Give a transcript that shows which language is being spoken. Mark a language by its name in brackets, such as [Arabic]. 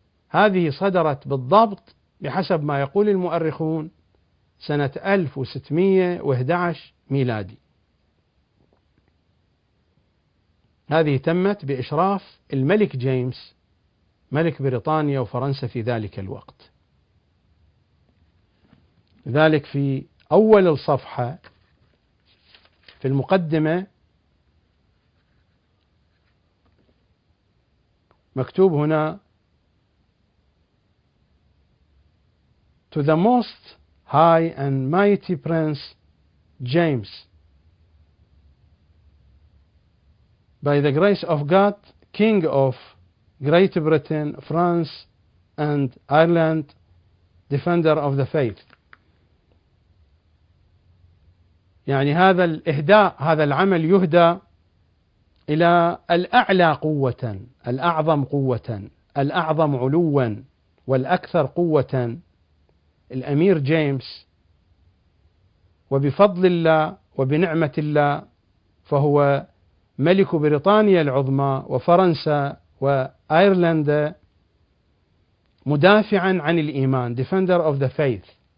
[Arabic] هذه صدرت بالضبط بحسب ما يقول المؤرخون سنة 1611 ميلادي. هذه تمت بإشراف الملك جيمس ملك بريطانيا وفرنسا في ذلك الوقت. لذلك في أول الصفحة في المقدمة مكتوب هنا [English] To the most high and mighty prince James by the grace of God king of Great Britain, France and Ireland defender of the faith. [Arabic] يعني هذا الإهداء هذا العمل يهدى إلى الأعلى قوة الأعظم قوة الأعظم علوا والأكثر قوة الأمير جيمس وبفضل الله وبنعمة الله فهو ملك بريطانيا العظمى وفرنسا وأيرلندا مدافعا عن الإيمان [English] defender of the faith.